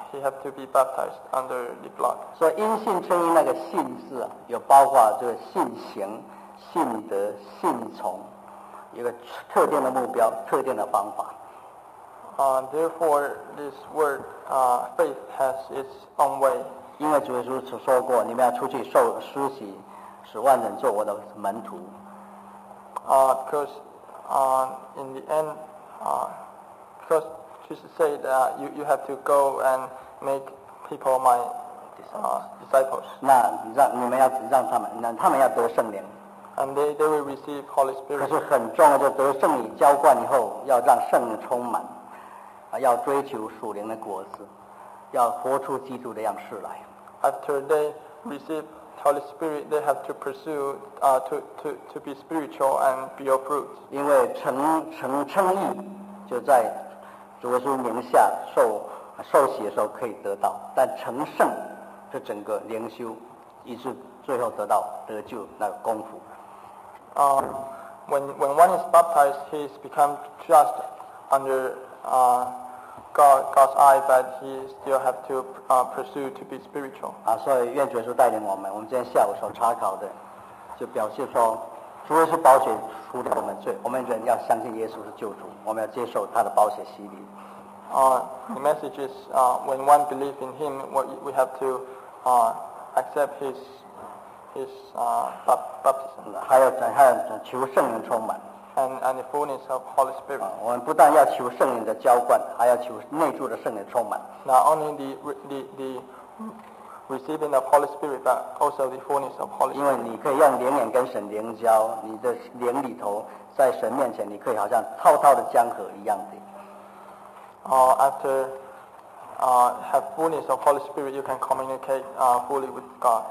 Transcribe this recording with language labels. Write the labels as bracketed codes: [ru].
[en] He have to be baptized under the blood. So, [zh] 因信称义那个信字有包括这个信行、信德、信从，一个特定的目标、特定的方法。 [en] Therefore, this word, faith has its own way. [zh] 因为主耶稣说过，你们要出去受施洗，使万人做我的门徒。 [en] Because Jesus said, you have to go and make people my disciples. [zh] 那你们要让他们，让他们要得圣灵。 [en] And they will receive Holy Spirit. [zh] 可是很重要，就得圣礼浇灌以后，要让圣灵充满，要追求属灵的果子，要活出基督的样式来。 [en] After they receive Holy Spirit, they have to pursue to be spiritual and bear fruit. [zh] 因为成称义就在。主耶稣名下受洗的时候可以得到，但成圣是整个灵修，以致最后得到得救那个功夫。 [en] When one is baptized, he is become just under God's eye, but he still have to pursue to be spiritual. [zh] 所以愿主耶稣带领我们。我们今天下午所查考的，就表示说，主耶稣宝血除掉我们罪，我们人要相信耶稣是救主，我们要接受他的宝血洗礼。 [en] The message is, when one believes in Him, we have to accept His baptism. [zh] 还要求圣灵充满。 [en] And the fullness of Holy Spirit. [zh] 我们不但要求圣灵的浇灌，还要求内住的圣灵充满。 [en] Not only the receiving of Holy Spirit, but also the fullness of Holy Spirit. [zh] 因为你可以用灵眼跟神灵交，你的灵里头在神面前，你可以好像滔滔的江河一样的。 [en] After have fullness of Holy Spirit, you can communicate fully with God.